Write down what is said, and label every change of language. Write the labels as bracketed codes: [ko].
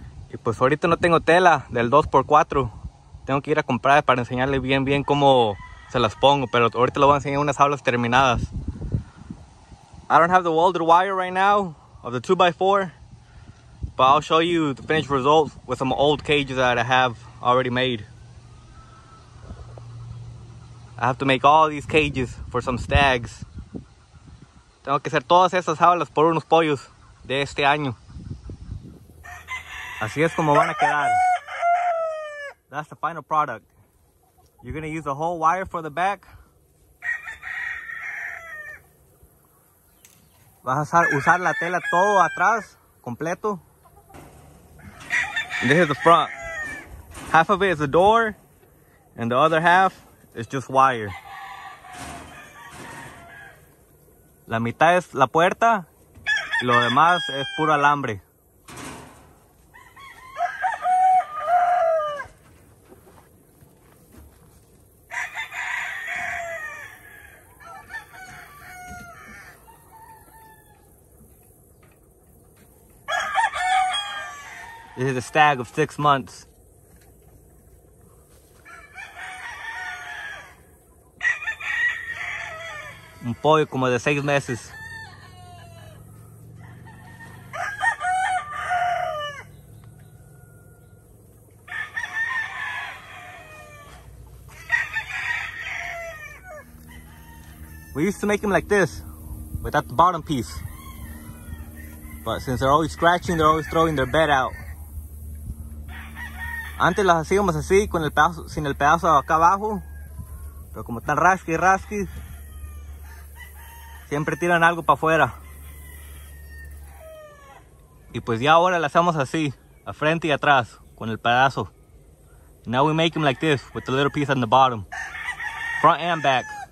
[es] Y pues ahorita no tengo tela del 2x4. Tengo que ir a comprar para enseñarle bien, bien cómo se las pongo. Pero ahorita lo voy a enseñar unas tablas terminadas. [en] I don't have the welded wire right now of the 2x4. But I'll show you the finished results with some old cages that I have already made. I have to make all these cages for some stags. [es] Tengo que hacer todas esas tablas por unos pollos de este año. Así es como van a quedar. [en] That's the final product. You're gonna use the whole wire for the back. [es] Vas a usar la tela todo atrás, completo. [en] And this is the front. Half of it is a door, and the other half is just wire. [es] La mitad es la puerta, y lo demás es puro alambre. [en] This is a stag of 6 months. [es] Un pollo como de 6 meses. [en] We used to make them like this, without the bottom piece. But since they're always scratching, they're always throwing their bed out. [es] Antes las hacíamos así, con el pedazo, sin el pedazo acá abajo. Pero como están rasqui rasqui, siempre tiran algo para afuera. Y pues ya ahora las hacemos así, a frente y atrás, con el pedazo. [en] Now we make them like this, with the little piece on the bottom. Front and back.